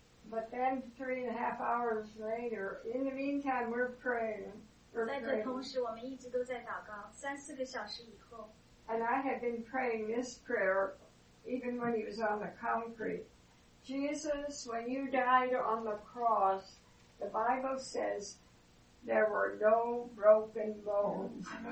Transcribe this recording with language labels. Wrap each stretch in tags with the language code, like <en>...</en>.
<en>But then 3.5 hours later, in the meantime, we're praying.</en> <zh>在这同时我们一直都在祷告,三四个小时以后。</zh> <en>And I had been praying this prayer even when he was on the concrete. Jesus, when you died on the cross, the Bible says, there were no broken bones.</en>